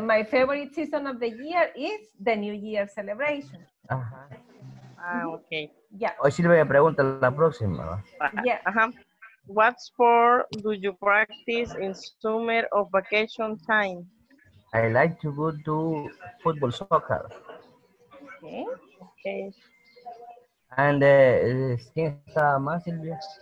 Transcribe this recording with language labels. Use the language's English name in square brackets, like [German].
[English] My favorite season of the year is the New Year celebration. Ajá. Ah, okay. [Spanish] Yeah. Hoy sí le voy a preguntar la próxima. Yeah. Ajá. [English] What sport do you practice in summer or vacation time? I like to go to football, soccer. Okay. Okay. [Spanish] And ¿quién está más, Silvia?